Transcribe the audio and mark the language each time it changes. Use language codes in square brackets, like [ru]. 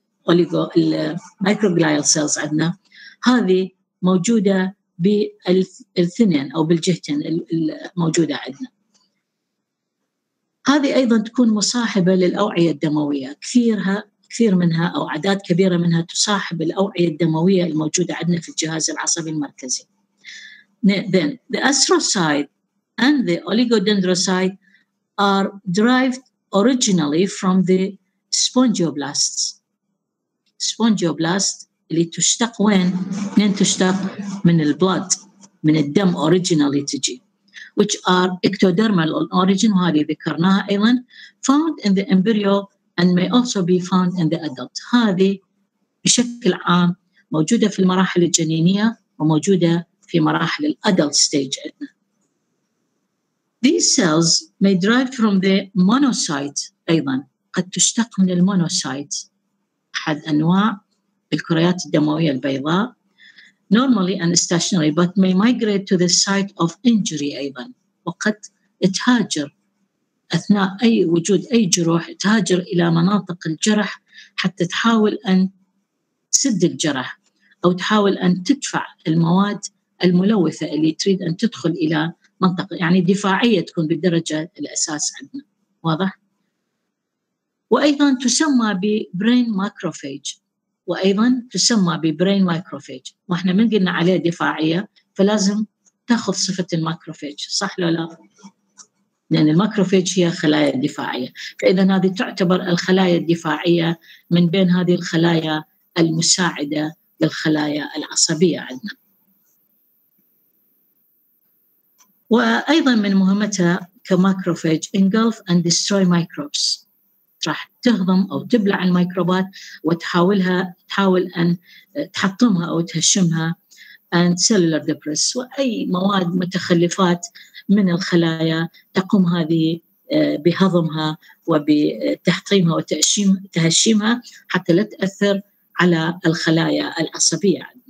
[ar] الميكروغليال سيلز عندنا هذه موجوده بالثنين او بالجهتين الموجوده عندنا هذه أيضا تكون مصاحبة للأوعية الدموية كثير منها أو أعداد كبيرة منها تصاحب الأوعية الدموية الموجودة عندنا في الجهاز العصبي المركزي. [en] Then the astrocyte and the oligodendrocyte are derived originally from the spongioblasts. [ar] Spongioblasts اللي تشتق وين؟ من تشتق من البلد من الدم originally تجي. [en] Which are ectodermal on origin, [ar] وهذه ذكرناها أيضا, [en] found in the embryo and may also be found in the adult. [ar] هذه بشكل عام موجودة في المراحل الجنينية وموجودة في مراحل الـ adult stage. [en] These cells may derive from the monocyte [ar] أيضا, قد تشتق من المونوسايت, أحد أنواع الكريات الدموية البيضاء. [en] Normally and stationary, but may migrate to the site of injury [ar] أيضا. وقد تهاجر أثناء أي وجود أي جروح تهاجر إلى مناطق الجرح حتى تحاول أن تسد الجرح أو تحاول أن تدفع المواد الملوثة اللي تريد أن تدخل إلى منطقة يعني دفاعية تكون بالدرجة الأساس عندنا واضح؟ وأيضا تسمى ببرين ماكروفاج وأيضا تسمى ببرين ماكروفاج وإحنا من قلنا عليه دفاعية فلازم تأخذ صفة الماكروفاج صح لو لا؟ لأن الماكروفاج هي خلايا دفاعية فإذا هذه تعتبر الخلايا الدفاعية من بين هذه الخلايا المساعدة للخلايا العصبية عندنا وأيضا من مهمتها [en] كماكروفاج engulf and destroy microbes. [ar] راح تهضم أو تبلع الميكروبات وتحاولها تحاول أن تحطمها أو تهشمها [en] and cellular debris [ar] وأي مواد متخلفات من الخلايا تقوم هذه بهضمها وبتحطيمها وتهشيمها حتى لا تأثر على الخلايا العصبية.